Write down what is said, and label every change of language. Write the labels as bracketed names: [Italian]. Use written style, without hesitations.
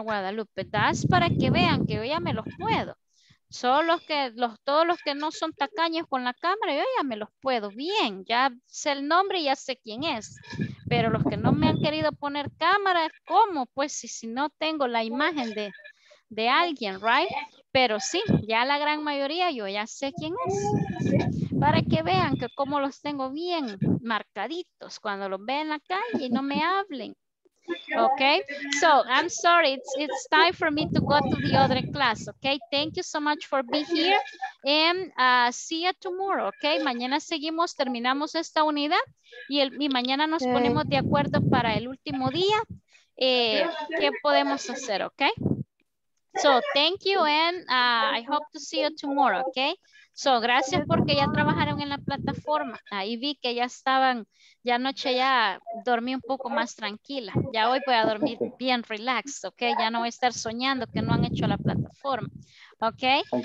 [Spanish] Guadalupe, das para que vean que yo ya me los puedo, son los que, los, todos los que no son tacaños con la cámara, yo ya me los puedo, bien, ya sé el nombre y ya sé quién es, pero los que no me han querido poner cámara, ¿cómo? Pues si no tengo la imagen de alguien, right? Pero sí, ya la gran mayoría yo ya sé quién es. Para que vean que cómo los tengo bien marcaditos cuando los ven en la calle y no me hablen. [English] Okay, so I'm sorry, it's time for me to go to the other class, okay? Thank you so much for being here and see you tomorrow, okay? [Spanish] Mañana seguimos, terminamos esta unidad y mañana nos ponemos de acuerdo para el último día. ¿Qué podemos hacer, okay? [English] So, thank you and I hope to see you tomorrow, okay? [Spanish] So, gracias porque ya trabajaron en la plataforma. Ahí vi que ya estaban, ya anoche ya dormí un poco más tranquila. Ya hoy voy a dormir bien relaxed, okay? Ya no voy a estar soñando que no han hecho la plataforma, okay?